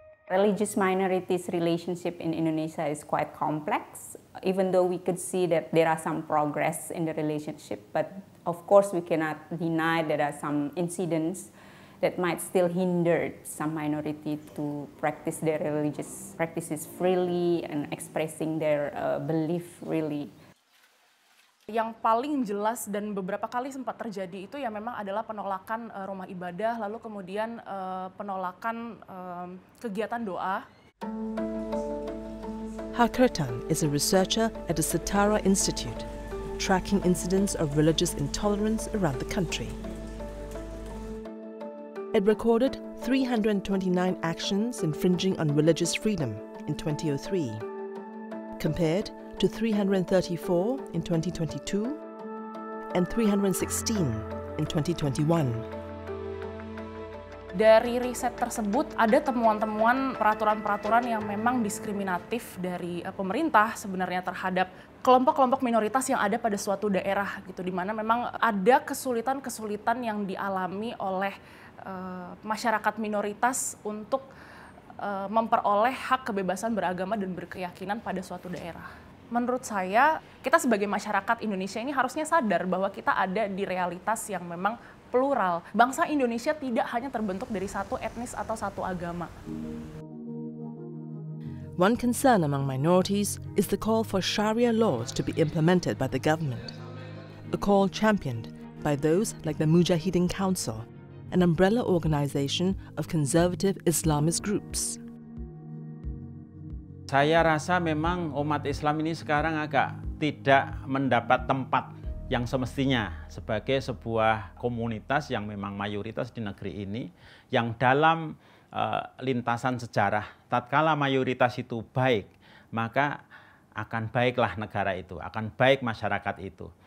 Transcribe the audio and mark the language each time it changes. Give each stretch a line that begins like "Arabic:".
English: Religious minorities relationship in Indonesia is quite complex, even though we could see that there are some progress in the relationship, but of course we cannot deny there are some incidents that might still hinder some minority to practice their religious practices freely and expressing their belief really.
Indonesian: Yang paling jelas dan beberapa kali sempat terjadi itu ya memang adalah penolakan rumah ibadah, lalu kemudian penolakan kegiatan doa.
English: Hakertan is a researcher at the Setara Institute, tracking incidents of religious intolerance around the country. It recorded 329 actions infringing on religious freedom in 2003, compared to 334 in 2022 and 316 in 2021.
Indonesian: Dari riset tersebut ada temuan-temuan peraturan-peraturan yang memang diskriminatif dari pemerintah sebenarnya terhadap kelompok-kelompok minoritas yang ada pada suatu daerah gitu, di mana memang ada kesulitan-kesulitan yang dialami oleh masyarakat minoritas untuk memperoleh hak kebebasan beragama dan berkeyakinan pada suatu daerah. Menurut saya, kita sebagai masyarakat Indonesia ini harusnya sadar bahwa kita ada di realitas yang memang plural. Bangsa Indonesia tidak hanya terbentuk dari satu etnis atau satu agama.
English: One concern among minorities is the call for Sharia laws to be implemented by the government. A call championed by those like the Mujahideen Council, an umbrella organization of conservative Islamist groups.
Indonesian: Saya rasa memang umat Islam ini sekarang agak tidak mendapat tempat yang semestinya sebagai sebuah komunitas yang memang mayoritas di negeri ini, yang dalam lintasan sejarah, tatkala mayoritas itu baik, maka akan baiklah negara itu, akan baik masyarakat itu.